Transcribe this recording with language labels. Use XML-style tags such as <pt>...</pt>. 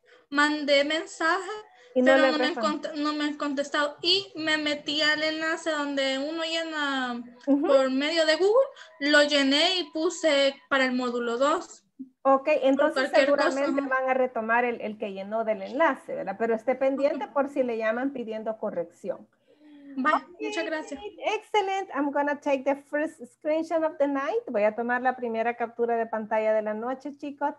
<es>Mandé mensaje, y no pero no me han contestado y me metí al enlace donde uno llena por medio de Google, lo llené y puse para el módulo 2. Ok, entonces seguramente van a retomar el que llenó del enlace, ¿verdad? Pero esté pendiente por si le llaman pidiendo corrección. Bye. Okay. Muchas gracias.</es> <en>Excellent. I'm going to take the first screenshot of the night.</en> <es>Voy a tomar la primera captura de pantalla de la noche, chicos.</es>